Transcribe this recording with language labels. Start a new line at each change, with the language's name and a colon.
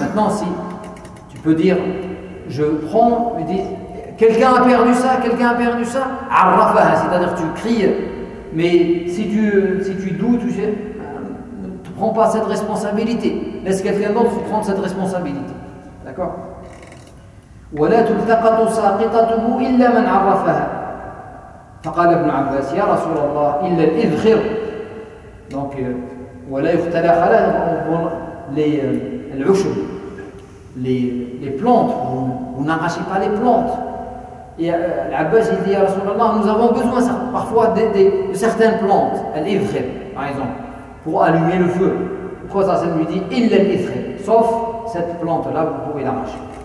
French: Maintenant, si tu peux dire, je prends, me dis, quelqu'un a perdu ça, quelqu'un a perdu ça, arrafah, c'est-à-dire tu cries, mais si tu doutes, tu sais, ne prends pas cette responsabilité, laisse quelqu'un d'autre prendre cette responsabilité. D'accord ?
Arabic: ولا تلتقط ساقطته إلا من عرفها. فقال ابن عباس يا رسول الله إلا الإذخر. Donc, ولا يختلى خلاله العشب.
French: Les plantes, vous n'arrachez pas les plantes. Et l'Abbas il dit à Rasulallah, nous avons besoin parfois de certaines plantes, l'ifrit par exemple, pour allumer le feu. Pourquoi ça, ça lui dit il l'ifrit, sauf cette plante là vous pouvez l'arracher.